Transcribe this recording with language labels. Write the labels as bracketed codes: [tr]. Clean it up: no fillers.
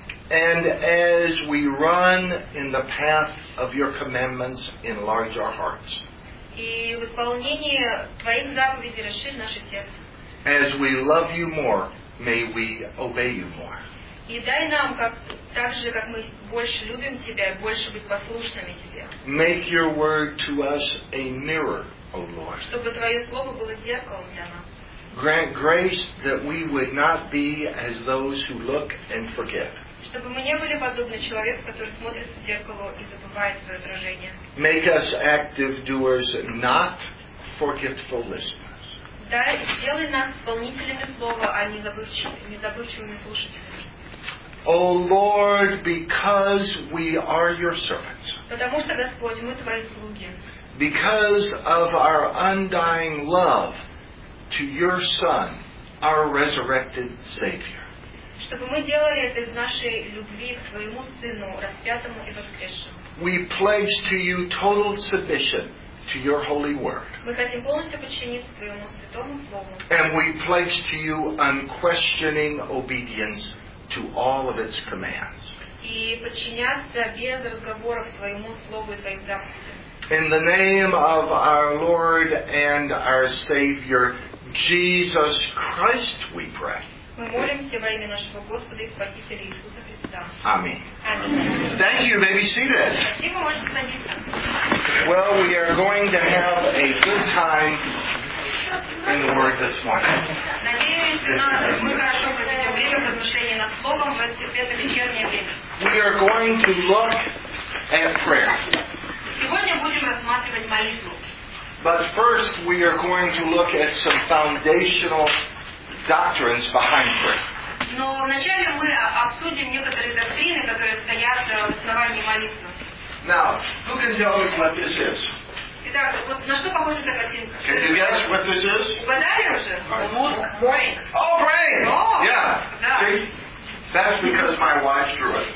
[en] And as we run in the path of your commandments, enlarge our hearts. [ru] И в исполнении Твоих заповедей расширь наше сердце. [en] As we love you more, may we obey you more. [ru] И дай нам, так же, как мы больше любим Тебя, больше быть послушными Тебе. [en] Make your word to us a mirror, O Lord. [ru] Чтобы Твое слово было зеркалом для нас. [en] Grant grace that we would not be as those who look and forget. [ru] Чтобы мы не были подобны человеку, который смотрит в зеркало и забывает свое отражение. [en] Make us active doers, not forgetful listeners. [ru] Да, сделай нас исполнителями слова, а не забывчивыми слушателями. [en] O Lord, because we are your servants. [ru] Потому что, Господь, мы твои слуги. [en] Because of our undying love to your Son, our resurrected Savior. [ru] Чтобы мы делали это из нашей любви к своему Сыну, распятому и воскресшему. [en] We pledge to you total submission to your holy word. [ru] Мы хотим полностью подчиниться твоему святому слову. [en] And we pledge to you unquestioning obedience to all of its commands. [ru] И подчиняться без разговоров твоему слову и твоим заповедям. [en] In the name of our Lord and our Savior Jesus Christ, we pray. [ru] Мы молимся во имя нашего Господа и Спасителя Иисуса Христа. Аминь. [en] Thank you. May be seated. [ru] Спасибо, можете садиться. [en] Well, we are going to have a good time in the Word this morning. [ru] Надеюсь, мы хорошо проведем время в размышлении над Словом в это вечернее время. [en] We are going to look at prayer. [ru] Сегодня будем рассматривать молитву. [en] But first, we are going to look at some foundational doctrines behind prayer. [ru] Но вначале мы обсудим некоторые доктрины, которые стоят в основании молитвы. [en] Now, who can tell me what this is? [ru] Итак, вот на что похожа эта картинка? [en] Can you guess what this is? [ru] Угадали уже? Мозг. [en] Brain. Oh, brain! Oh. Yeah. [ru] Да. [en] See? That's because my wife drew it.